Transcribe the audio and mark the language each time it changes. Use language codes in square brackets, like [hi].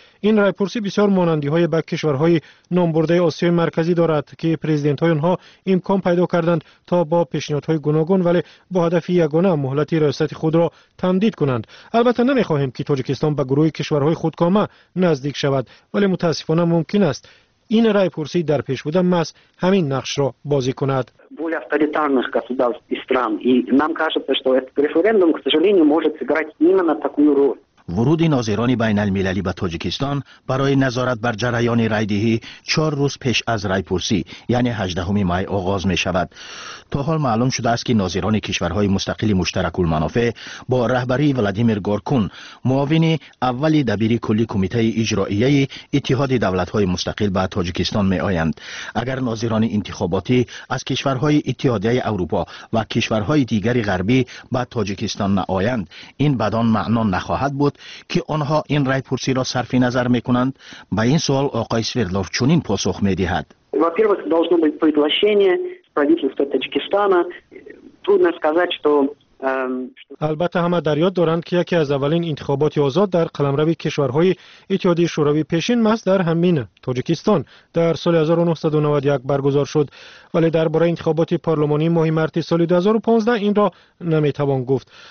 [fa] این رای پرسی بسیار مانندی های به کشورهای نامبرده آسیای مرکزی دارد که پرزیدنت های آنها امکان پیدا کردند تا با پیشنهادهای گوناگون ولی با هدف یگانه مهلت ریاست خود را تمدید کنند. البته نمیخواهیم که تاجیکستان به گروه کشورهای خودکامه نزدیک شود، ولی متاسفانه ممکن است این رای پرسی در پیش بوده محض همین نقش را بازی کند. [ru] более авторитарных государств и стран. И нам кажется, что этот референдум, к сожалению, может сыграть именно такую роль. [fa] ورود ناظران بین المللی به تاجیکستان برای نظارت بر جریان رایدهی 4 روز پیش از رای پرسی یعنی 18 می آغاز می شود. تا حال معلوم شده است که ناظران کشورهای مستقل مشترک المنافع با رهبری ولادیمیر گورکون، معاون اول دبیر کلی کمیته اجرائیه اتحاد دولت های مستقل به تاجیکستان می آیند. اگر ناظران انتخاباتی از کشورهای اتحادیه اروپا و کشورهای دیگری غربی به تاجیکستان نآیند، این بدان معنا نخواهد بود که آنها این رای پرسی را صرف نظر می کنند. به این سوال آقای سویردلوف چنین پاسخ می دهد. [ru] во-первых, должно быть приглашение правительства Таджикистана. Трудно сказать, что [fa] البته همه در یاد دارند که یکی از اولین انتخابات آزاد در قلمرو کشورهای اتحادیه شوروی پیشین محض در همین تاجیکستان در سال 1991 برگزار شد، ولی درباره انتخابات پارلمانی ماه مارس سال 2015 این را نمیتوان گفت.